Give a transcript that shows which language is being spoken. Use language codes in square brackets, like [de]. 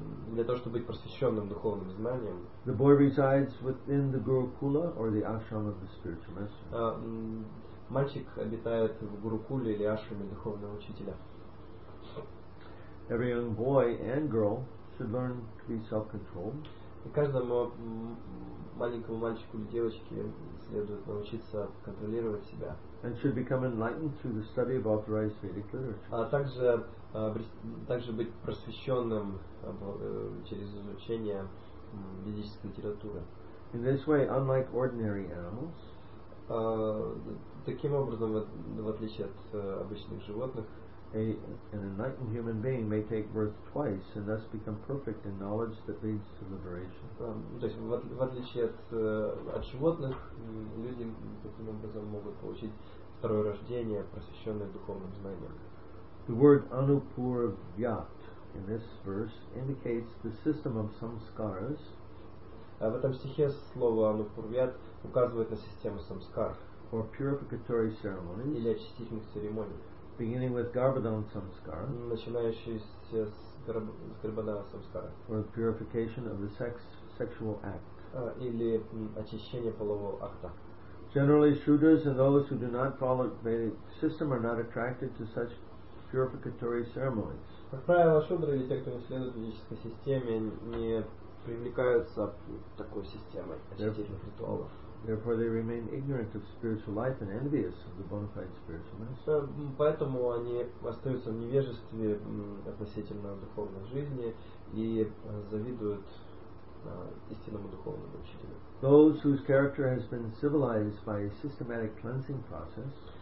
[ru] Для того чтобы быть просвещенным духовным знанием. [en] The boy resides within the Gurukula or the ashram of the spiritual master. [ru] Мальчик обитает в Гурукуле или ашраме духовного учителя. [en] Every young boy and girl should learn to be self-controlled. [ru] И каждому маленькому мальчику или девочке следует научиться контролировать себя. [en] And should become enlightened through the study of authorized Vedic literature. [ru] А также быть просвещенным через изучение ведической литературы. [en] In this way, unlike ordinary animals, [ru] таким образом, в отличие от обычных животных, [en] an enlightened human being may take birth twice and thus become perfect in knowledge that leads to liberation. [ru] То есть в отличие от животных, люди таким образом могут получить второе рождение, просвещенное духовным знанием. [en] The word anupurvyat in this verse indicates the system of samskaras. [ru] В этом стихе слово anupurvyat указывает на систему самскар. [en] Or purificatory ceremonies. [ru] Или очистительных церемоний. [en] Beginning with garbhadana samskara. [ru] Начинающиеся с garbhadana samskara. [en] Or purification of the sexual act. [ru] Или очищение полового акта. [en] Generally, Shudras and those who do not follow the Vedic system are not attracted to such purificatory ceremonies. [ru] Как правило, Шудры или те, кто не следует ведической системе, не привлекаются такой системой очистительных ритуалов. [en] Therefore, they remain ignorant of spiritual life and envious of the bona fide spiritual master. [ru] Поэтому они остаются в невежестве относительно духовной жизни и завидуют истинному духовному учителю. [en] Those whose character has been civilized by a systematic cleansing process,